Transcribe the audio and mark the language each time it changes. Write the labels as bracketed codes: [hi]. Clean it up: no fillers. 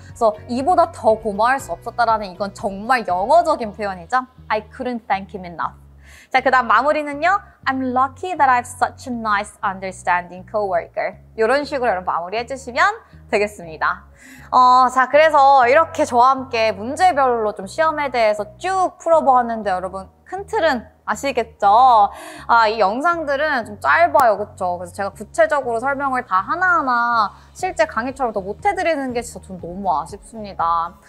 [ko] 그래서 이보다 더 고마울 수 없었다라는 이건 정말 영어적인 표현이죠. [en] I couldn't thank him enough. [ko] 자, 그다음 마무리는요. [en] I'm lucky that I have such a nice understanding coworker. [ko] 이런 식으로 여러분 마무리해 주시면 되겠습니다. 자, 그래서 이렇게 저와 함께 문제별로 좀 시험에 대해서 쭉 풀어보았는데 여러분 큰 틀은 아시겠죠? 아, 이 영상들은 좀 짧아요. 그렇죠? 그래서 제가 구체적으로 설명을 다 하나하나 실제 강의처럼 더 못 해드리는 게 진짜 좀 너무 아쉽습니다.